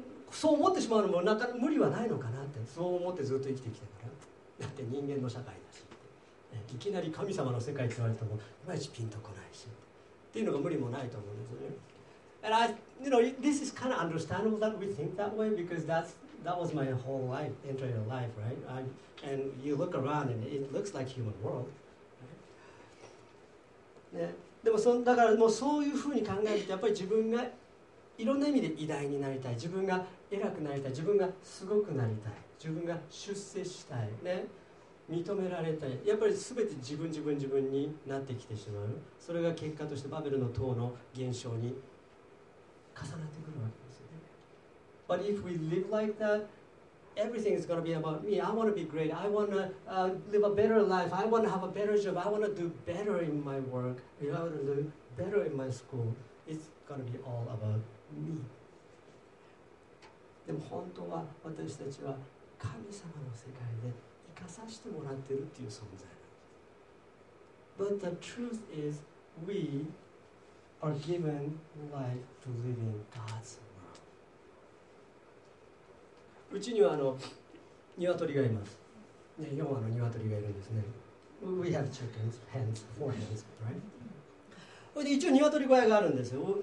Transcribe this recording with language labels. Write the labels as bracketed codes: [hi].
[ja] そう思ってしまうのもなんか無理はないのかなって、そう思ってずっと生きてきたから。だって人間の社会だし、いきなり神様の世界って言われても、いまいちピンとこないし、っていうのが無理もないと思うんですよね。 [en] And I, you know, this is kind of understandable that we think that way because that was my whole life, entire life, right? And you look around and it looks like human world.、Right? [ja] ね、でもだからもうそういうふうに考えると、やっぱり自分がいろんな意味で偉大になりたい、自分が偉くなりたい、自分がすごくなりたい、自分が出世したい、ね、認められたい、やっぱり全て自分自分自分になってきてしまう。それが結果としてバベルの塔の現象に重なってくるわけですよね。 [en] But if we live like that, everything is going to be about me. I want to be great. I want to、live a better life. I want to have a better job. I want to do better in my work. I want to do better in my school. It's going to be all about me. [ja] でも本当は私たちは神様の世界で生かさせてもらってるっていう存在なんです。 [en] But the truth is weare given life to live in God's world. [ja] うちにはニワトリがいます。4羽のニワトリがいるんですね。 [en] We have chickens, hens, four hens, right? [ja] 一応ニワトリ小屋があるんですよ。